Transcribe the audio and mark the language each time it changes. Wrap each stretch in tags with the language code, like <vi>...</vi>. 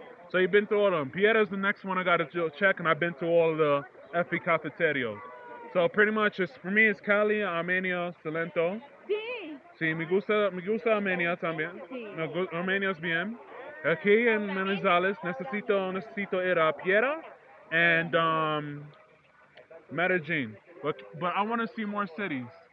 <en>So you've been to all of them. Piedra is the next one I got to check, and I've been to all the Efe Cafeterios. So pretty much, for me, it's Cali, Armenia, Salento.</en> <es>Sí. Sí, me gusta Armenia también. Sí. No, Armenia es bien. Aquí en Manizales, necesito ir a Piedra and Medellín.</es> <en>But I want to see more cities.</en>